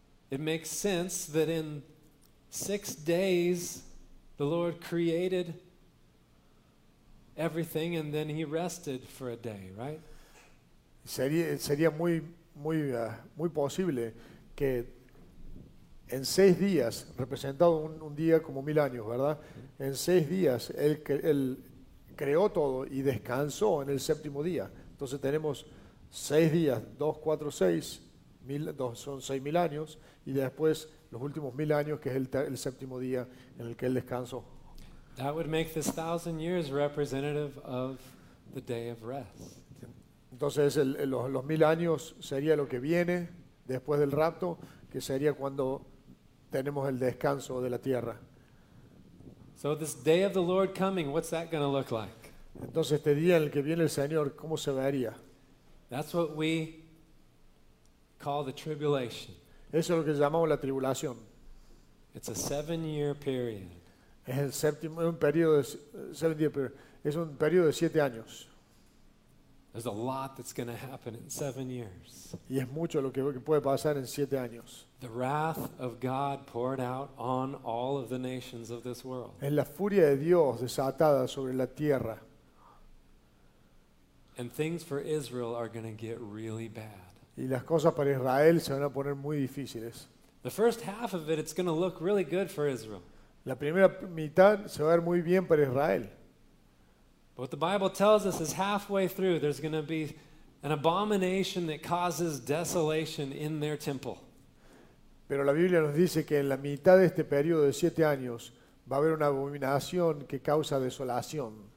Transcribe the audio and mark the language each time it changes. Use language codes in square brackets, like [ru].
[en] It makes sense that in 6 days the Lord created everything and then he rested for a day, right? [es] Sería muy posible que en 6 días, representado un día como 1,000 años, ¿verdad? En 6 días, él creó todo y descansó en el séptimo día. Entonces tenemos 6 días, 2, 4, 6, 1,000, 2, son 6,000 años, y después los últimos 1,000 años, que es el séptimo día en el que él descansó. [en] That would make this 1,000 years representative of the day of rest. [es] Entonces los 1,000 años sería lo que viene después del rapto, que sería cuando tenemos el descanso de la tierra. [en] So this day of the Lord coming, what's that going to look like? [es] Entonces este día en el que viene el Señor, ¿cómo se vería? [en] That's what we call the tribulation. [es] Eso es lo que llamamos la tribulación. [en] It's a 7-year period. [es] Es el séptimo, es un periodo de 7 días, pero es un periodo de 7 años. [en] There's a lot that's going to happen in 7 years. [es] Y es mucho lo que puede pasar en 7 años. [en] The wrath of God poured out on all of the nations of this world. [es] Es la furia de Dios desatada sobre la tierra. [en] And things for Israel are going to get really bad. [es] Y las cosas para Israel se van a poner muy difíciles. [en] The first half of it, it's going to look really good for Israel. [es] La primera mitad se va a ver muy bien para Israel. [en] But what the Bible tells us is halfway through there's going to be an abomination that causes desolation in their temple. [es] Pero la Biblia nos dice que en la mitad de este periodo de 7 años va a haber una abominación que causa desolación.